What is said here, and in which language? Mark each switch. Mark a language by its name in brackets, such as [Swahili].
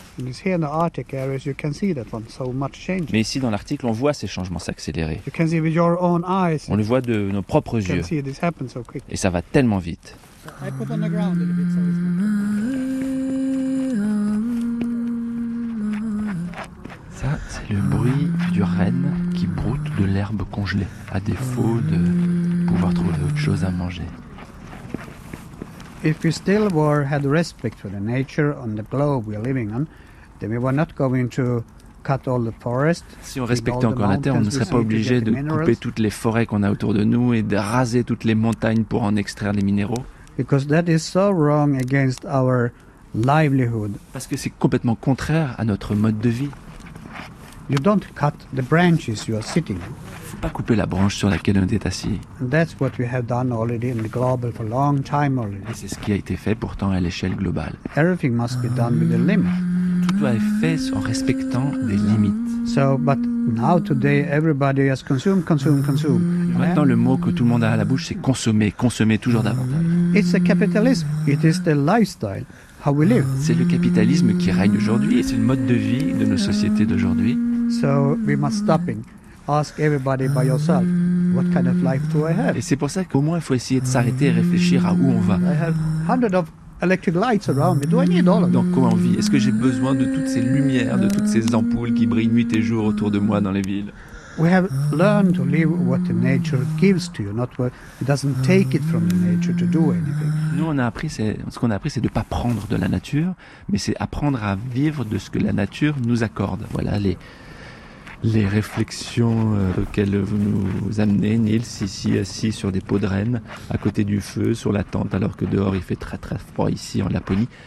[English] And it's here in the Arctic areas you can see that one so much change. [French] Mais ici dans l'Arctique, on voit ces changements s'accélérer. [English] You can see with your own eyes. [French] On le voit de nos propres yeux. [English] You can see this happen so quick. [French] Et ça va tellement vite. [English] I put on the ground a bit, so it's [French] ça, c'est le bruit du renne qui broute de l'herbe congelée, à défaut de pouvoir trouver autre chose à manger. [English] If we still were had respect for the nature on the globe we're living on, then we were not going to cut all the forest. [French] Si on respectait encore la terre, on ne serait pas obligé de couper toutes les forêts qu'on a autour de nous et de raser toutes les montagnes pour en extraire les minéraux. [English] Because that is so wrong against our livelihood. [French] Parce que c'est complètement contraire à notre mode de vie. [English] You don't cut the branches you are sitting. [French] Faut pas couper la branche sur laquelle on est assis. [English] And that's what we have done already in the global for a long time already. [French] Et c'est ce qui a été fait pourtant à l'échelle globale. [English] Everything must be done with a limit. [French] Tout doit être fait en respectant des limites. [English] So, but now today everybody has consume, consume, consume. [French] Et maintenant le mot que tout le monde a à la bouche c'est consommer, consommer toujours davantage. [English] It's a capitalism. It is the lifestyle. How we live. [French] C'est le capitalisme qui règne aujourd'hui et c'est le mode de vie de nos sociétés d'aujourd'hui. [English] So we must stop it. Ask everybody by yourself, what kind of life do I have? [French] Et c'est pour ça qu'au moins il faut essayer de s'arrêter et réfléchir à où on va. [English] I have hundreds of electric lights around me. Do I need all of them? [French] Dans quoi on vit? Est-ce que j'ai besoin de toutes ces lumières, de toutes ces ampoules qui brillent nuit et jour autour de moi dans les villes? [English] We have learned to live what the nature gives to you, not what it doesn't take it from the nature to do anything. [French] Nous, on a appris, ce qu'on a appris, c'est de ne pas prendre de la nature, mais c'est apprendre à vivre de ce que la nature nous accorde. Voilà les réflexions auxquelles vous nous amenez, Niels, ici, assis sur des pots de renne, à côté du feu, sur la tente, alors que dehors, il fait très très froid ici, en Laponie.